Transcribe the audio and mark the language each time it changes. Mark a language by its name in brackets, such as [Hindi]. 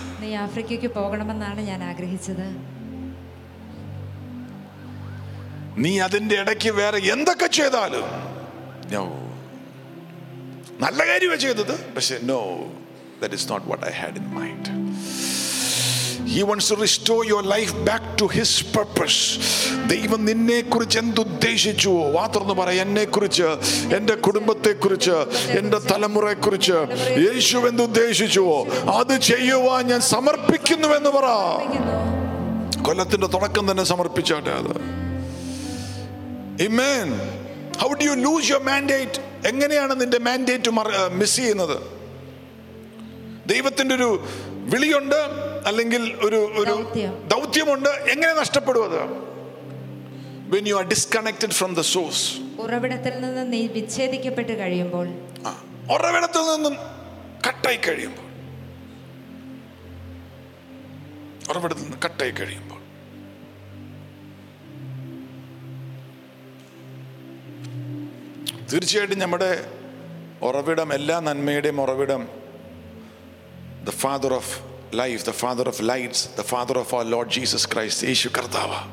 [Malayalam] നീ ആഫ്രിക്കയ്ക്ക് പോകണമെന്നാണ് ഞാൻ ആഗ്രഹിച്ചത്. നീ അതിന്റെ ഇടയ്ക്ക് വേറെ എന്തൊക്കെ ചെയ്താലും, നോ, നല്ല കാര്യമാണ് ചെയ്തത്, പക്ഷേ no, [English] That is not what I had in mind. He wants to restore your life back to his purpose. [Malayalam] ദൈവം നിന്നെ കുറിച്ച് എന്തുദ്ദേശിച്ചു? വാത്രന്ന് പറയാം, എന്നെ കുറിച്ച്, എന്റെ കുടുംബത്തെ കുറിച്ച്, എന്റെ തലമുറയെ കുറിച്ച് യേശു എന്തുദ്ദേശിച്ചുവോ അത് ചെയ്യുവാൻ ഞാൻ സമർപ്പിക്കുന്നു എന്ന് പറ. കൊല്ലത്തിന്റെ തുടക്കം തന്നെ സമർപ്പിച്ചാട്ടെ അത്. Amen. [English] How do you lose your mandate? [Malayalam] എങ്ങനെയാണ് നിന്റെ മാൻഡേറ്റ് മിസ് ചെയ്യുന്നത്? ദൈവത്തിന്റെ ഒരു വിളിയുണ്ട്, അല്ലെങ്കിൽ ഒരു ഒരു ദൗത്യമുണ്ട്, എങ്ങനെ നഷ്ടപ്പെടും അത്? [English] When you are disconnected from the source. [Malayalam] ഉറവിടത്തിൽ നിന്ന് നീ വിച്ഛേദിക്കപ്പെട്ട് കഴിയുമ്പോൾ, ഉറവിടത്തിൽ നിന്നും കട്ടായി കഴിയുമ്പോൾ, ഉറവിടത്തിൽ നിന്ന് കട്ടായി കഴിയുമ്പോൾ, തീർച്ചയായിട്ടും നമ്മുടെ ഉറവിടം, എല്ലാ നന്മയുടെയും ഉറവിടം, [English] the father of life, the father of lights, the father of our lord Jesus Christ, [Malayalam] Yeshu കർത്താവ.